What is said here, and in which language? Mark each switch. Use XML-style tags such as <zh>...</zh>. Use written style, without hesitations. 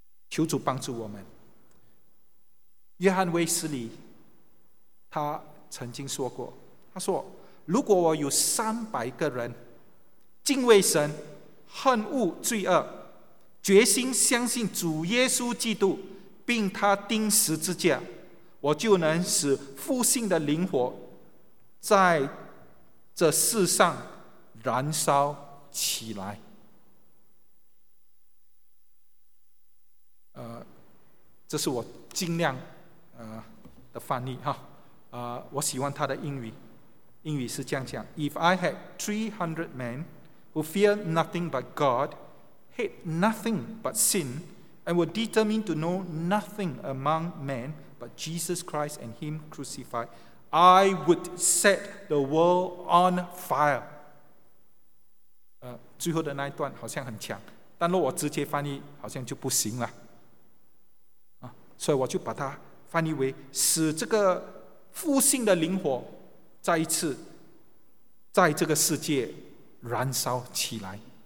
<zh>求主帮助我们。约翰威斯里他曾经说过，他说如果我有300个人敬畏神，恨恶罪恶，决心相信主耶稣基督并他钉十字架，我就能使复兴的灵火在这世上燃烧起来。这是我尽量的翻译哈，我喜欢他的英语，英语是这样讲</zh> <en>：If I had 300 men who fear nothing but God, hate nothing but sin, and were determined to know nothing among men but Jesus Christ and Him crucified, I would set the world on fire。</en> <zh>最后的那一段好像很强，但若我直接翻译，好像就不行了。所以我就把它翻译为使这个复兴的灵火再一次在这个世界燃烧起来。</zh>